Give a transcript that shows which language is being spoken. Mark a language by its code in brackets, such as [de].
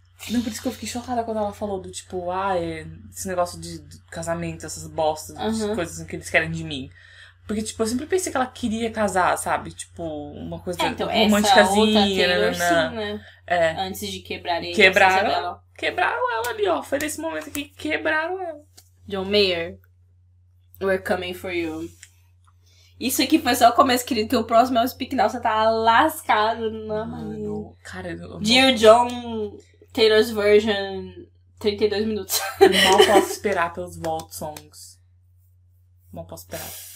[pt] Não, por isso que eu fiquei chocada quando ela falou do tipo, ah, esse negócio de casamento, essas bostas, uhum. De coisas que eles querem de mim. Porque, tipo, eu sempre pensei que ela queria casar, sabe? Tipo, uma coisa românticazinha. Essa outra Taylor, nanana. Sim, né? É. Antes de quebrar ele. Quebraram ela ali, ó. Foi nesse momento aqui que quebraram ela. [en] John Mayer, we're coming for you. [pt] Isso aqui foi só o começo, querido, que o próximo é o Speak Now. Você tá lascado na mania. Cara, eu não... Dear John, Taylor's version, 32 minutos. Eu mal posso esperar pelos Vault Songs. Mal posso esperar.